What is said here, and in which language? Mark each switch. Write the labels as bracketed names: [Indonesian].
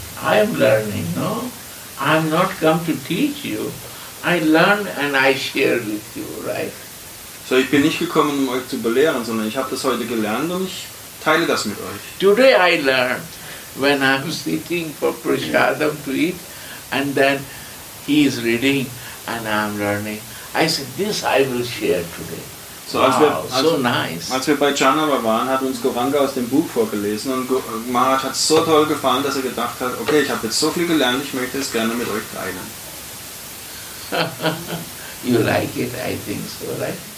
[English] I am learning, no? I am not come to teach you. I learn and I share with you, right? [German] So ich bin nicht gekommen, um euch zu belehren, sondern ich habe das heute gelernt und ich teile das mit euch. [English] Today I learned when I am sitting for prasadam to eat and then he is reading and I am learning. I said, this I will share today. [German] So, wow, als wir bei Janava waren, hat uns Goranga aus dem Buch vorgelesen und Maharaj hat so toll gefallen, dass er gedacht hat, okay, ich habe jetzt so viel gelernt, ich möchte es gerne mit euch teilen. [English] You like it, I think so, right?